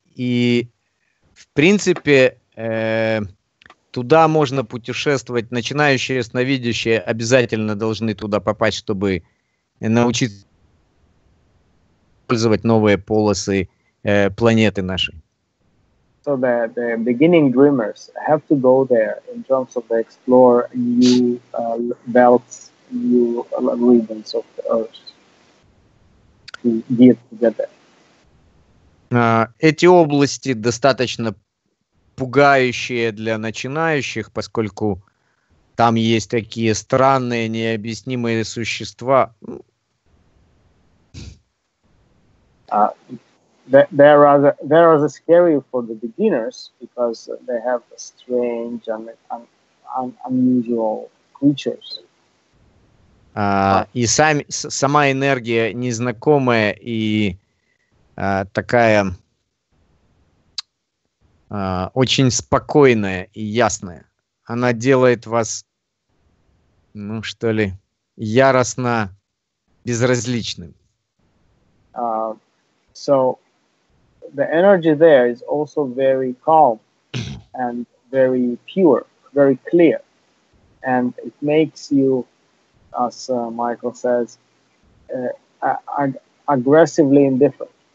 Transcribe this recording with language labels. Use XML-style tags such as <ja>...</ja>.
<ru>И в принципе туда можно путешествовать. Начинающие сновидящие обязательно должны туда попасть, чтобы научиться использовать новые полосы планеты нашей.</ru> <en>So the beginning dreamers have to go there in terms of explore new belts, new regions of the Earth to get together.</en> <ru>Эти области достаточно пугающие для начинающих, поскольку там есть такие странные, необъяснимые существа.</ru> <en>They're rather scary for the beginners because they have strange and unusual creatures.</en> <ru>И сама энергия незнакомая и такая очень спокойная и ясная. Она делает вас, ну что ли, яростно безразличным.</ru> <en>So the energy there is also very calm and very pure, very clear. And it makes you, as Michael says, aggressively indifferent.</en>